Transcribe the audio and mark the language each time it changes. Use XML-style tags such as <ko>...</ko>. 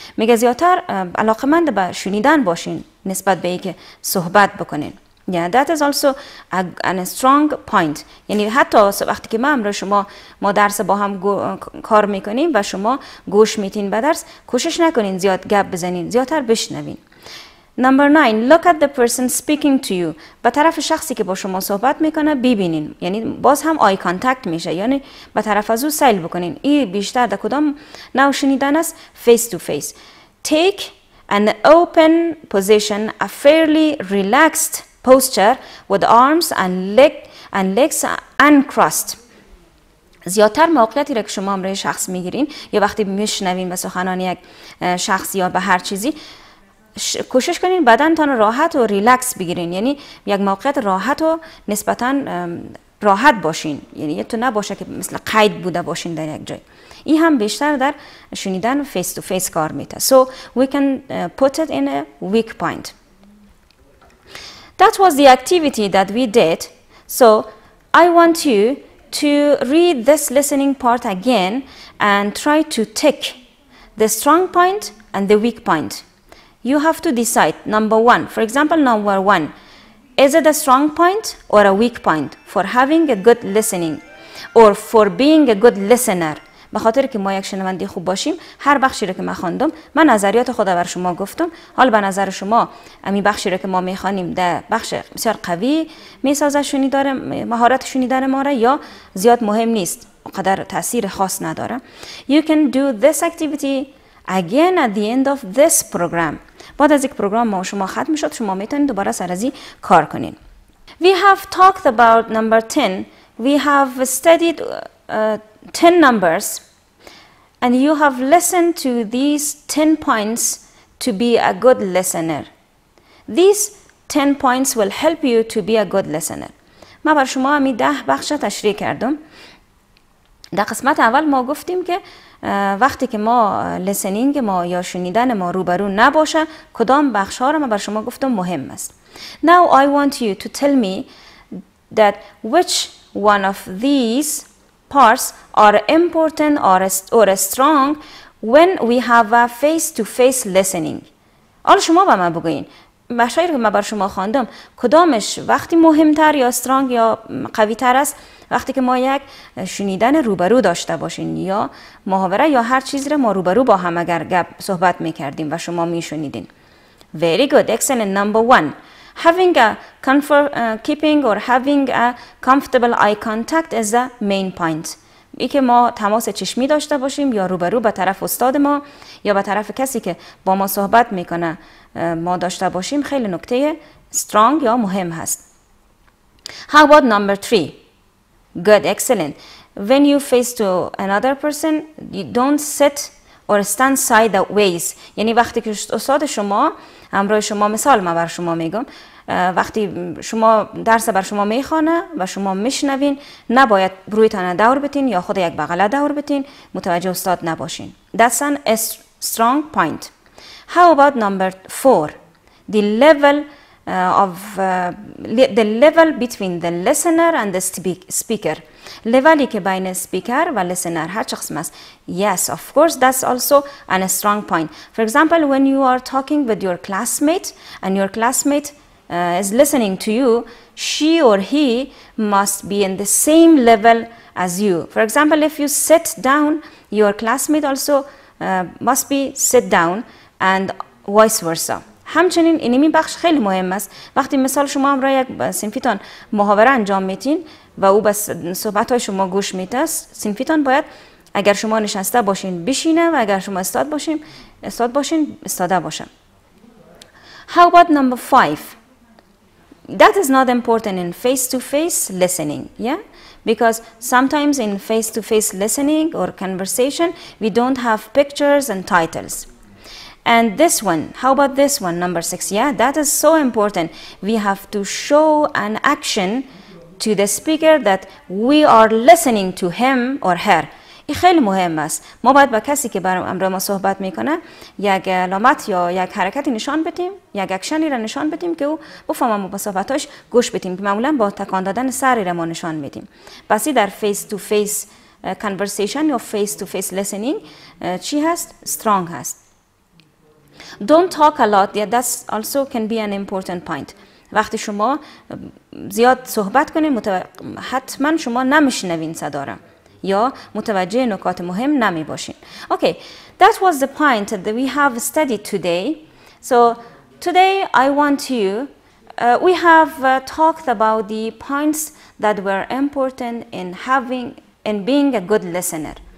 <fa>میگه زیادتر علاقمند به شنیدن باشین نسبت به ای که صحبت بکنین.</fa> <en>Yeah, that is also a strong point.</en> <fa>یعنی حتی وقتی که ما امروز شما ما درس با هم کار میکنیم و شما گوش میتین به درس کوشش نکنین زیاد گپ بزنین زیادتر بشنوین.</fa> <en>Number 9, look at the person speaking to you.</en> <fa>به طرف شخصی که با شما صحبت میکنه ببینین. یعنی باز هم آی کانتکت میشه. یعنی به طرف از او سیل بکنین. این بیشتر در کدام نوع شنیدن است؟ فیس تو فیس.</fa> <en>Take an open position, a fairly relaxed posture with arms and legs uncrossed.</en> <fa>زیادتر موقعیتی را که شما امرای شخص میگیرین یا وقتی میشنوین به سخنان یک شخص یا به هر چیزی کوشش کنین بدن تان راحت و ریلکس بگیرین یعنی یک موقعیت راحت و نسبتا راحت باشین یعنی یه تو نباشه که مثل قید بوده باشین در یک جای این هم بیشتر در شنیدن فیس تو فیس کار میته</fa> <en>So we can put it in a weak point That was the activity that we did. So I want you to read this listening part again and try to tick the strong point and the weak point. You have to decide, number one, for example, number one, is it a strong point or a weak point for having a good listening or for being a good listener?</en> <fa>به خاطر که ما یک شنونده خوب باشیم، هر بخشی رو که ما خواندم، من نظریات خود بر شما گفتم. حال به نظر شما، امی بخشی رو که ما میخوانیم ده بخش بسیار قوی میسازشونی داره، مهارتشونی داره ما را، یا زیاد مهم نیست، قدر تأثیر خاص نداره.</fa> <en>You can do this activity again at the end of this program.</en> <fa>بعد از یک پروگرام ما و شما ختم شد، شما میتونید دوباره سر ازی کار کنین.</fa> <en>We have talked about number 10. We have studied 10 numbers and you have listened to these 10 points to be a good listener. These 10 points will help you to be a good listener.</en> <fa>ما بر شما همی 10 بخش تشریح کردم. در قسمت اول ما گفتیم که وقتی که ما لسنینگ ما یا شنیدن ما روبرو نباشه، کدام بخش ها رو ما بر شما گفتم مهم است.</fa> <en>Now I want you to tell me that which one of these parts are important or strong when we have a face-to-face listening.</en> <fa>حالا شما به من بگوین، بخشی رو که من بر شما خواندم، کدامش وقتی مهمتر یا استرانگ یا قویتر است وقتی که ما یک شنیدن روبرو داشته باشیم یا محاوره یا هر چیزی رو ما روبرو با هم اگر گپ صحبت میکردیم و شما میشنیدین.</fa> <en>Very good, excellent. Number one, having a comfort, keeping or having a comfortable eye contact is the main point.</en> <fa>ای که ما تماس چشمی داشته باشیم یا روبرو به طرف استاد ما یا به طرف کسی که با ما صحبت میکنه ما داشته باشیم خیلی نکته strong یا مهم هست.</fa> <en>How about number 3? Good, excellent. When you face to another person, you don't sit or stand side ways.</en> <fa>یعنی وقتی که استاد شما همراه شما، مثال ما بر شما میگم، وقتی شما درس بر شما میخوانه و شما میشنوین، نباید روی تانه دور بتین یا خود یک بغله دور بتین، متوجه استاد نباشین.</fa> <en>That's an strong point. How about number 4? The level between the listener and the speaker.</en> <fa>لیولی که بین سپیکر و لسنر هر چه قسم است.</fa> <en>Yes, of course, that's also a strong point. For example, when you are talking with your classmate and your classmate is listening to you, she or he must be in the same level as you. For example, if you sit down, your classmate also must be sit down and vice versa.</en> <fa>همچنین این بخش خیلی مهم است. وقتی مثال شما هم را یک سنفیتان محاوره انجام میتین و او به صحبت های شما گوش میده، سنفیتان باید اگر شما نشسته باشین بشینه و اگر شما استاد باشین استاده باشه.</fa> <en>How about number 5? That is not important in face-to-face listening. Yeah? Because sometimes in face-to-face listening or conversation, we don't have pictures and titles. And this one, how about this one, number 6? Yeah, that is so important. We have to show an action to the speaker that we are listening to him or her.</en> <fa>این خیلی مهم است. ما باید با کسی که برای ما صحبت میکنه یک علامت یا یک حرکتی نشان بدیم، یک اکشنی را نشان بدیم که او بفهمه ما با صحبتاش گوش بدیم. معمولا با تکان دادن سری را ما نشان میدیم. بسی در فیس تو فیس کانورسیشن یا فیس تو فیس لیسنینگ چی هست؟ استرانگ هست.</fa> <en>Don't talk a lot. Yeah, that also can be an important point.</en> <fa>وقتی شما زیاد صحبت کنید، حتما شما نمیشنوین صدا را یا متوجه نکات مهم نمی باشین.</fa> <en>Okay, that was the point that we have studied today. So today I want you, we have talked about the points that were important in having and being a good listener.</en>